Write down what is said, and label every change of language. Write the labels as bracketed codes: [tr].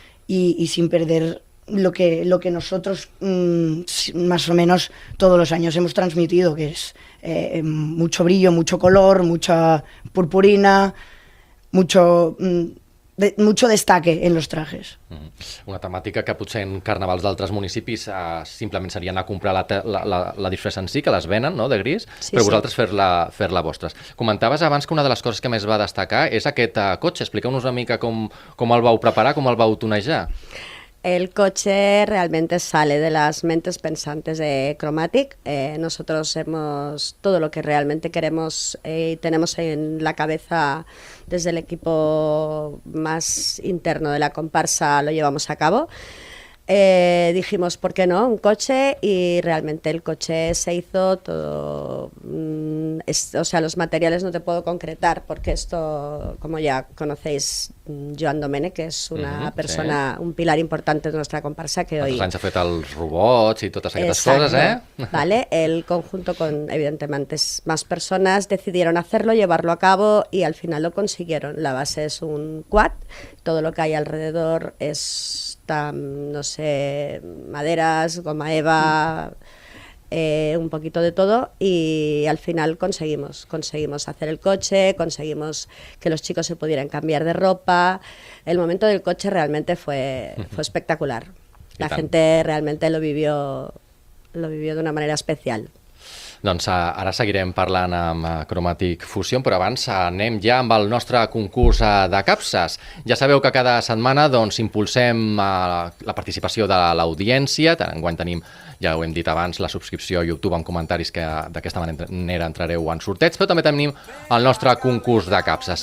[es] y sin perder lo que nosotros más o menos todos los años hemos transmitido, que es mucho brillo, mucho color, mucha purpurina, mucho destaque en los trajes. [ca] Una temàtica que potser en carnavals d'altres municipis simplement serien a comprar la disfressa en si, que les venen, no?, de gris, sí, però sí. Vosaltres fer-la vostres. Comentaves abans que una de les coses que més va destacar és aquest cotxe. Expliqueu-nos una mica com el vau preparar, com el vau tunejar. [es] El coche realmente sale de las mentes pensantes de Cromatic. Nosotros hemos todo lo que realmente queremos y tenemos en la cabeza desde el equipo más interno de la comparsa lo llevamos a cabo. Dijimos, ¿por qué no? Un coche, y realmente el coche se hizo todo. O sea, los materiales no te puedo concretar, porque esto, como ya conocéis, Joan Domènech, que es una persona, sí, un pilar importante de nuestra comparsa, que hoy... [ca] Els anys ha fet els robots i totes aquestes coses, ¿eh? [es] Vale, el conjunto con, evidentemente, más personas decidieron hacerlo, llevarlo a cabo, y al final lo consiguieron. La base es un quad, todo lo que hay alrededor es... no sé, maderas, goma Eva, un poquito de todo, y al final conseguimos hacer el coche, conseguimos que los chicos se pudieran cambiar de ropa. El momento del coche realmente fue espectacular. La gente realmente lo vivió de una manera especial. [ca] Doncs ara seguirem parlant amb Cromatic Fusion, però abans anem ja amb el nostre concurs de capses. Ja sabeu que cada setmana doncs impulsem la participació de l'audiència. Enguany tenim, ja ho hem dit abans, la subscripció a YouTube amb comentaris, que d'aquesta manera entrareu en sorteig, però també tenim el nostre concurs de capses.